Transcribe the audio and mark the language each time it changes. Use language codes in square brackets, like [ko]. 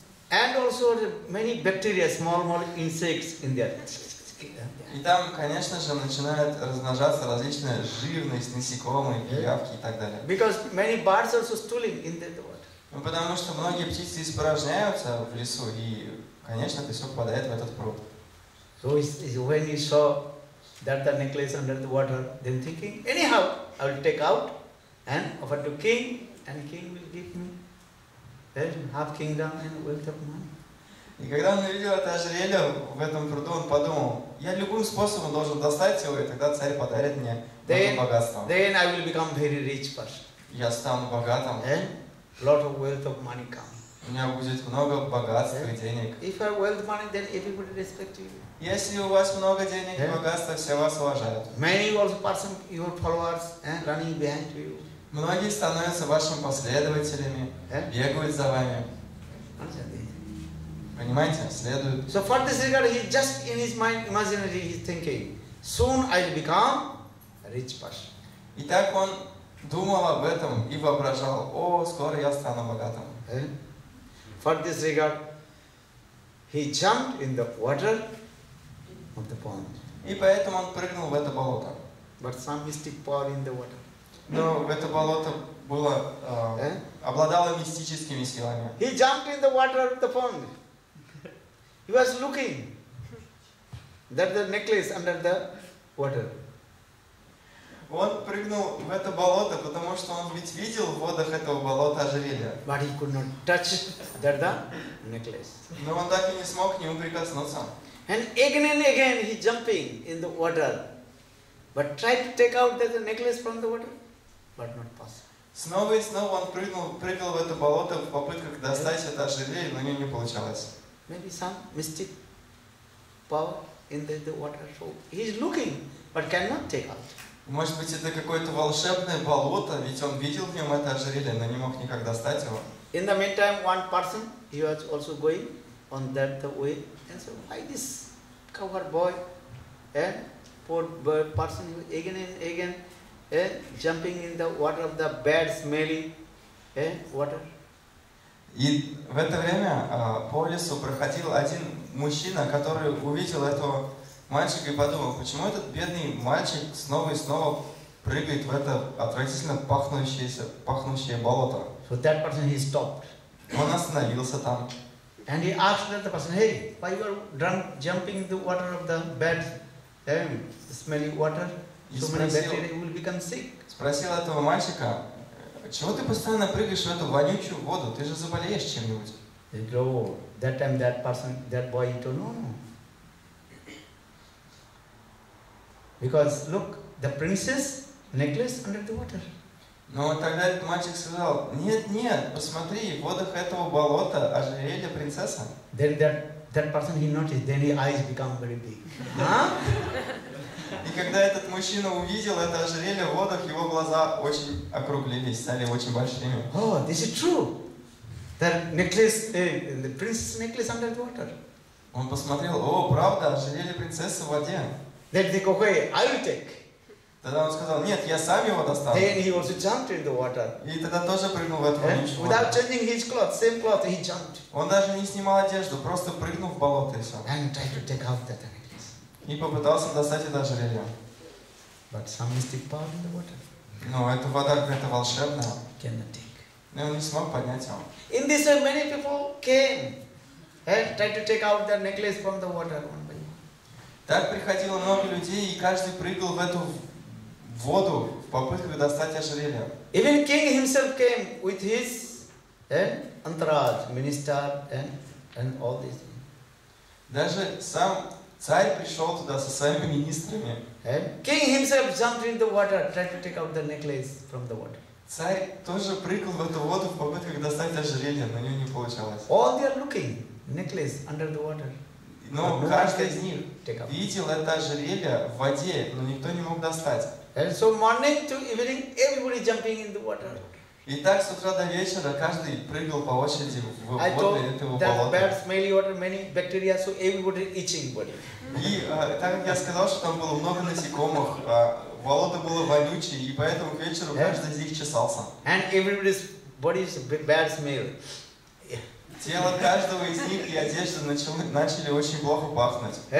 [en] And also many bacteria, small insects in there. [ru] И там, конечно же, начинают размножаться различные живность, насекомые, пиявки и так далее. [en] Because many birds also stooling in the water. [ru] Ну, потому что многие птицы испражняются в лесу, и, конечно, это все попадает в этот пруд. [en] So when you saw that the necklace under the water, then thinking, anyhow, I will take out and offer to king, and king will give me half kingdom and wealth of money. [ru] И когда он увидел это ожерелье в этом пруду, он подумал, я любым способом должен достать его, и тогда царь подарит мне много богатства. [en] Then I will become very rich person. [ru] Я стану богатым. [en] Lot of wealth of money come. [ru] У меня будет много богатства и денег. [en] If you have wealth money, then everybody respect you. [ru] Если у вас много денег и богатства, все вас уважают. [en] Many also person your followers and running behind you. [ru] Многие становятся вашими последователями, бегают за вами. Понимаете, следует. [en] So for this regard, he just in his mind, imaginary, he's thinking, soon I'll become a rich person. [ru] И так он думал об этом и воображал, о, скоро я стану богатым. [en] For this regard, he jumped in the water of the pond. [ru] И поэтому он прыгнул в это болото. [en] But some mystic power in the water. [ru] Но в это болото было обладало мистическими силами. [en] He jumped in the water of the pond. He was looking at the necklace under the water. [ru] Он прыгнул в это болото, потому что он ведь видел в водах этого болота ожерелье. [en] But he could not touch that the necklace. [ru] Но он так и не смог к нему прикоснуться. [en] And again he jumping in the water, but tried to take out the necklace from the water, but not possible. [ru] Снова и снова он прыгал в это болото в попытках достать это ожерелье, но у него не получалось. [en] Maybe some mystic power in the water. So he is looking, but cannot take out. [ru] Может быть, это какое-то волшебное болото, ведь он видел в нем это ожерелье, но не мог никак достать его. [en] In the meantime, one person he was also going on that the way, and so why this coward boy, poor boy person again and again, jumping in the water of the bad smelly, water. [ru] И в это время по лесу проходил один мужчина, который увидел этого мальчика и подумал, почему этот бедный мальчик снова и снова прыгает в это отвратительно пахнущее болото. [en] So that person, he stopped. [ru] Он остановился там. [en] And he asked that person, hey, why you are drunk, jumping in the water of the bad, smelly water? So many bacteria will become sick. [ru] Спросил этого мальчика, чего ты постоянно прыгаешь в эту вонючую воду? Ты же заболеешь чем-нибудь. [en] No, that time that person, that boy, he told, no. Because, look, the princess necklace under the water. [ru] Но тогда этот мальчик сказал, нет, посмотри, в водах этого болота ожерелье принцесса. [en] Then that person, he noticed, then his eyes become very big. [ru] И когда этот мужчина увидел это ожерелье в водах, его глаза очень округлились, стали очень большими. [en] Oh, this is true. That necklace, the princess necklace under the water. [ru] Он посмотрел, о, правда, ожерелье принцессы в воде. [en] Then he said, hey, I will take. [ru] Тогда он сказал, нет, я сам его достану. [en] Then he also jumped in the water. [ru] И тогда тоже прыгнул в эту воду. [en] Without changing his clothes, same clothes, he jumped. [ru] Он даже не снимал одежду, просто прыгнул в болото и все. [en] And tried to take out that necklace. [ru] И попытался достать это ожерелье. [en] But some mystic power in the water. [ru] Но эта вода какая-то волшебная. [en] Cannot take. [ru] Но он не смог поднять его. [en] In this way, many people came and tried to take out their necklace from the water one by one. [ru] Так приходило много людей, и каждый прыгал в эту воду в попытках достать ожерелье. [en] Even king himself came with his entourage, minister and all these. [ru] Даже сам царь пришел туда со своими министрами. [en] King himself jumped in the water, tried to take out the necklace from the water. [ru] Царь тоже прыгал в эту воду в попытках достать ожерелье, но у него не получалось. [en] All they are looking necklace under the water. [ru] Но каждый из них видел это ожерелье в воде, но никто не мог достать. [en] And so morning to evening, everybody jumping in the water. [ru] И так с утра до вечера каждый прыгал по очереди в воду этого болота. [en] Bad smelly water, many bacteria, so everybody itching body. [ru] И так я сказал, что там было много насекомых, болото было вонючее, и поэтому к вечеру каждый из них чесался. [en] And everybody's body is bad smell. [ru] Тело каждого из них и одежда начали очень плохо пахнуть.